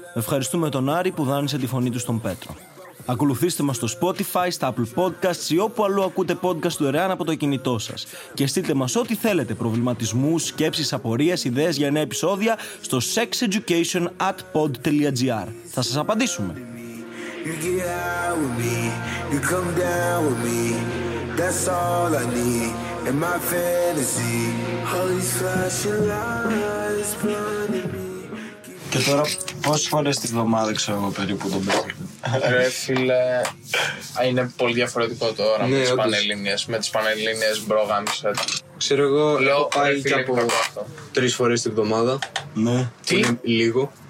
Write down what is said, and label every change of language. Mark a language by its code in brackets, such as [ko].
[el] Ευχαριστούμε τον Άρη που δάνεισε τη φωνή του στον Πέτρο. Ακολουθήστε μας στο Spotify, στα Apple Podcasts ή όπου αλλού ακούτε podcast δωρεάν από το κινητό σας. Και στείλτε μας ό,τι θέλετε, προβληματισμούς, σκέψεις, απορίες, ιδέες για νέα επεισόδια στο sexeducation@pod.gr. Θα σας απαντήσουμε. [en] You get out with me, you come down with me. That's all I need in my fantasy. All these flashing lights blinding me. [el] Και τώρα πόσες φορές την εβδομάδα ξέρω εγώ περίπου τον παίρνω. Ρε φίλε, είναι πολύ διαφορετικό τώρα με τις πανελλήνιες. Με τις πανελλήνιες μπρόγαμισε. Ξέρω εγώ, λέω, πάει και από τρεις φορές την εβδομάδα. Ναι. Τι? Λίγο.